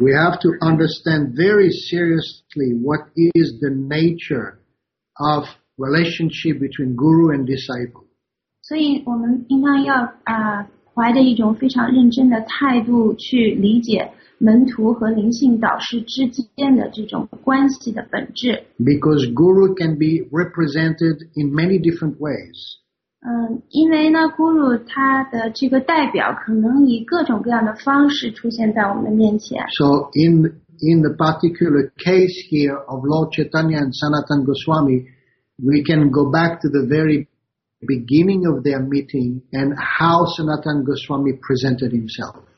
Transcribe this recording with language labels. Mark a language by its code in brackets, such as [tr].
[en] We have to understand very seriously what is the nature of relationship between guru and disciple. [zh] 所以我们应当要怀着一种非常认真的态度去理解门徒和灵性导师之间的这种关系的本质。 [en] Because guru can be represented in many different ways. [zh] 因为呢 guru 他的这个代表可能以各种各样的方式出现在我们的面前。 [en] So in the particular case here of Lord Chaitanya and Sanatan Goswami,We can go back to the very beginning of their meeting and how Sanatan Goswami presented himself.